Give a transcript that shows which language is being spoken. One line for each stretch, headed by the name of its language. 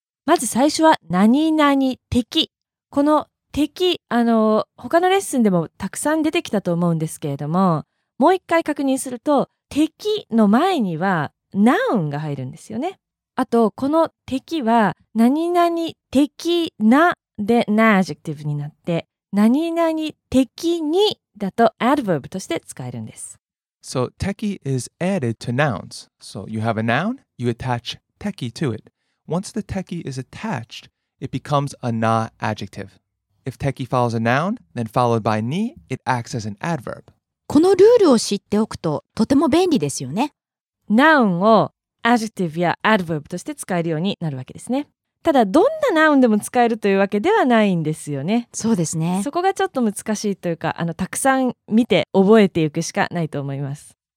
Japanese: まず最初は何々的。この的、他のレッスンでもたくさん出てきたと思うんですけれども、もう一回確認すると、的の前にはナウンが入るんですよね。あとこの的は何々的なでナアジェクティブになって、何々的にだとアドバーブとして使えるんです。
English: So 的 is added to nouns. So you have a noun, you attach 的 to it. Once the 的 is attached, it becomes a na adjective. If 的 follows a noun, then followed by に, it acts as an adverb.
Japanese: このルールを知っておくととても便利ですよね。ナウンをアジェクティブやアドバーブとして使えるようになるわけですね。ただどんなナウンでも使えるというわけではないんですよね。そうですね。そこがちょっと難しいというか、たくさん見て覚えていくしかないと思います。